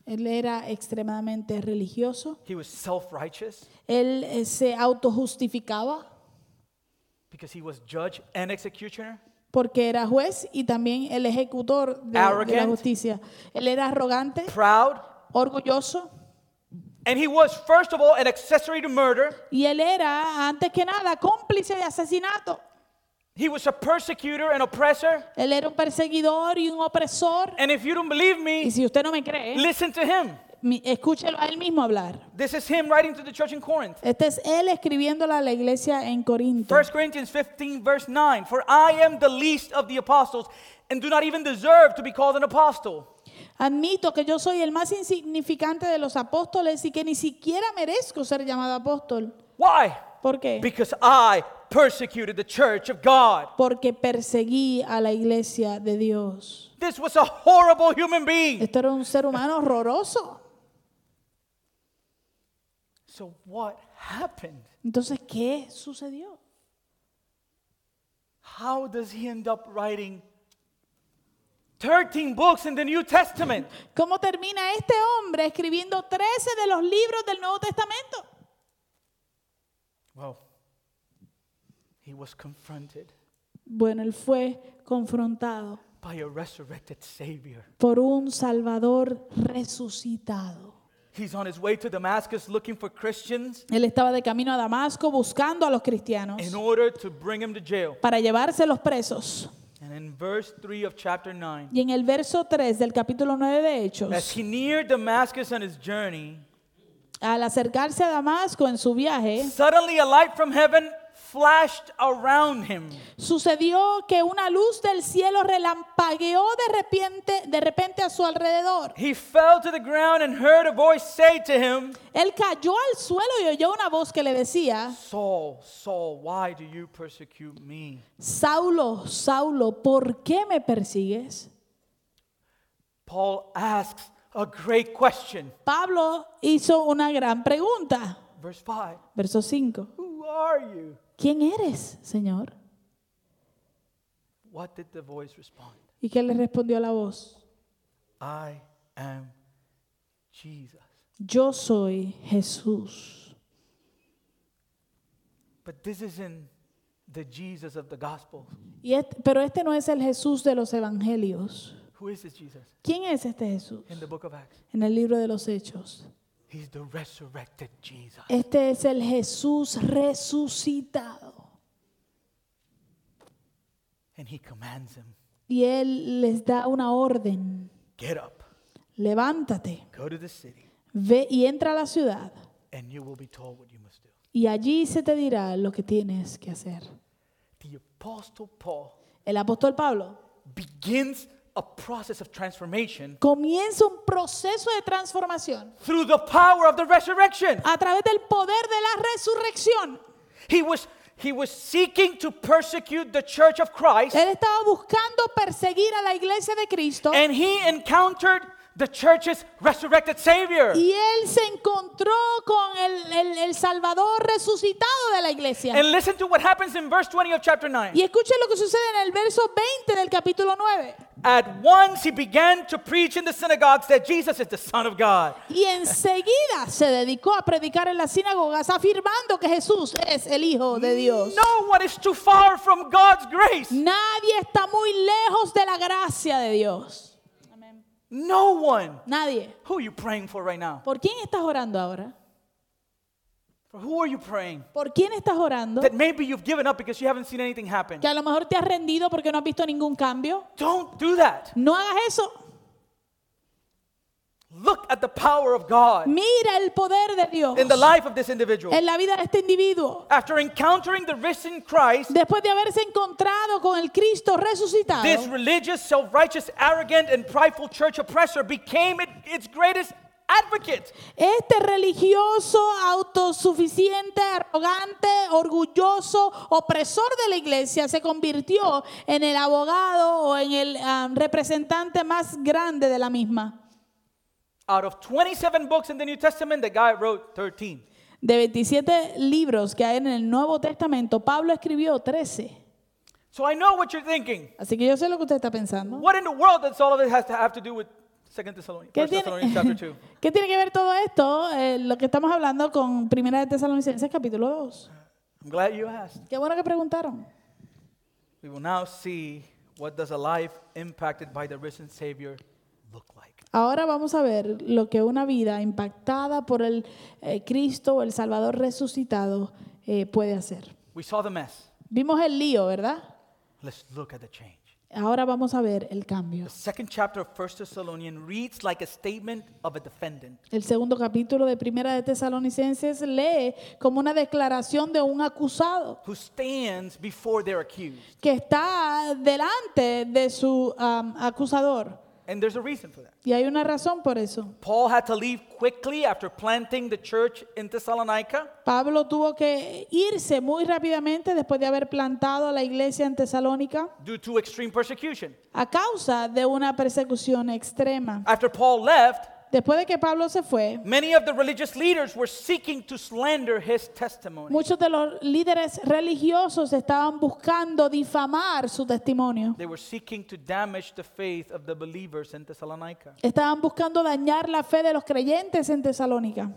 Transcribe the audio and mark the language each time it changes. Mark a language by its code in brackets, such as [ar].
[es] Él era extremadamente religioso. [en] He was self-righteous. [es] Él se autojustificaba. [en] Because he was judge and executioner. [es] Porque era juez y también el ejecutor de la justicia. Él era arrogante. [en] Proud. [es] Orgulloso. [en] And he was first of all an accessory to murder. [es] Y él era antes que nada cómplice de asesinato. [en] He was a persecutor and oppressor. [es] Él era un perseguidor y un opresor. [en] And if you don't believe me, [es] y si usted no me cree, [en] listen to him. [es] Escúchelo a él mismo hablar. [en] This is him writing to the church in Corinth. [es] Este es él escribiéndole a la iglesia en Corinto. [en] 1 Corinthians 15, verse 9. For I am the least of the apostles and do not even deserve to be called an apostle. [es] Admito que yo soy el más insignificante de los apóstoles y que ni siquiera merezco ser llamado apóstol. [en] Why? [es] ¿Por qué? [en] Because I persecuted the church of God. [es] Porque perseguí a la iglesia de Dios. [en] This was a horrible human being. [es] Esto era un ser humano horroroso. [en] So what happened? [es] Entonces, ¿qué sucedió? [en] How does he end up writing 13 books in the New Testament. [es] ¿Cómo termina este hombre escribiendo 13 de los libros del Nuevo Testamento? [en] Well, he was confronted. [es] Bueno, él fue confrontado. [en] By a resurrected Savior. [es] Por un Salvador resucitado. [en] He's on his way to Damascus looking for Christians. [es] Él estaba de camino a Damasco buscando a los cristianos. [en] In order to bring him to jail. [es] Para llevárselos presos. [en] And in verse 3 of chapter 9. [es] Y en el verso 3 del capítulo 9 de Hechos. [en] As he neared Damascus on his journey. [es] Al acercarse a Damasco en su viaje. [en] Suddenly a light from heaven flashed around him. [es] Sucedió que una luz del cielo relampagueó de repente a su alrededor. [en] He fell to the ground and heard a voice say to him. [es] Él cayó al suelo y oyó una voz que le decía. [en] Saul, Saul, why do you persecute me? [es] Saulo, Saulo, ¿por qué me persigues? [en] Paul asks a great question. [es] Pablo hizo una gran pregunta. [en] Verse 5. [es] Verso 5. [en] Who are you? [es] ¿Quién eres, Señor? [en] What did the voice respond? [es] ¿Y qué le respondió la voz? [en] I am Jesus. [es] Yo soy Jesús. [en] But this isn't the Jesus of the Gospels. [es] Pero este no es el Jesús de los Evangelios. [en] Who is this Jesus? [es] ¿Quién es este Jesús? [en] In the book of Acts. [es] En el libro de los Hechos. [en] He's the resurrected Jesus. [es] Este es el Jesús resucitado. [en] And he commands him. [es] Y él les da una orden. [en] Get up. [es] Levántate. [en] Go to the city. [es] Ve y entra a la ciudad. [en] And you will be told what you must do. [es] Y allí se te dirá lo que tienes que hacer. [en] The apostle Paul. [es] El apóstol Pablo. [en] Begins a process of transformation. [es] Comienza un proceso de transformación. [en] Through the power of the resurrection. [es] A través del poder de la resurrección. [en] He was seeking to persecute the church of Christ. [es] Él estaba buscando perseguir a la iglesia de Cristo. [en] And he encountered the church's resurrected Savior. [es] Y él se encontró con el Salvador resucitado de la iglesia. [en] And listen to what happens in verse 20 of chapter 9. [es] Y escuchen lo que sucede en el verso 20 del capítulo 9. [en] At once he began to preach in the synagogues that Jesus is the Son of God. [es] Y enseguida se dedicó a predicar en las sinagogas afirmando que Jesús es el Hijo de Dios. [en] No one is too far from God's grace. [es] Nadie está muy lejos de la gracia de Dios. [en] No one. [es] Nadie. [en] Who are you praying for right now? [es] ¿Por quién estás orando ahora? [en] For who are you praying? [es] ¿Por quién estás orando? [en] That maybe you've given up because you haven't seen anything happen. [es] Que a lo mejor te has rendido porque no has visto ningún cambio. [en] Don't do that. [es] No hagas eso. [en] Look at the power of God. [es] Mira el poder de Dios. [en] In the life of this individual. [es] En la vida de este individuo. [en] After encountering the risen Christ. [es] Después de haberse encontrado con el Cristo resucitado. [en] This religious, self-righteous, arrogant, and prideful church oppressor became its greatest advocate. [es] Este religioso, autosuficiente, arrogante, orgulloso, opresor de la iglesia se convirtió en el abogado o en el representante más grande de la misma. [en] Out of 27 books in the New Testament, the guy wrote 13. [es] De 27 libros que hay en el Nuevo Testamento, Pablo escribió 13. [en] So I know what you're thinking. [es] Así que yo sé lo que usted está pensando. [en] What in the world does all of this have to do with 2 Thessalonians? [es] ¿Qué tiene que ver todo esto, lo que estamos hablando, con 1 Tesalonicenses capítulo 2? [en] I'm glad you asked. [es] Qué bueno que preguntaron. [en] We will now see what does a life impacted by the risen Savior look like. [es] Ahora vamos a ver lo que una vida impactada por el Cristo o el Salvador resucitado puede hacer. [en] We saw the mess. [es] Vimos el lío, ¿verdad? [en] Let's look at the change. [es] Ahora vamos a ver el cambio. [en] The second chapter of 1 Thessalonians reads like a statement of a defendant. [es] El segundo capítulo de Primera de Tesalonicenses lee como una declaración de un acusado. [en] Who stands before their accused. [es] Que está delante de su acusador. [en] And there's a reason for that. [es] Y hay una razón por eso. [en] Paul had to leave quickly after planting the church in Thessalonica. [es] Pablo tuvo que irse muy rápidamente después de haber plantado la iglesia en Tesalónica. [en] Due to extreme persecution. [es] A causa de una persecución extrema. [en] After Paul left. [es] Después de que Pablo se fue, [en] many of the religious leaders were seeking to slander his testimony. [es] Muchos de los líderes religiosos estaban buscando difamar su testimonio. [en] They were seeking to damage the faith of the believers in Thessalonica. [es] Estaban buscando dañar la fe de los creyentes en Tesalónica.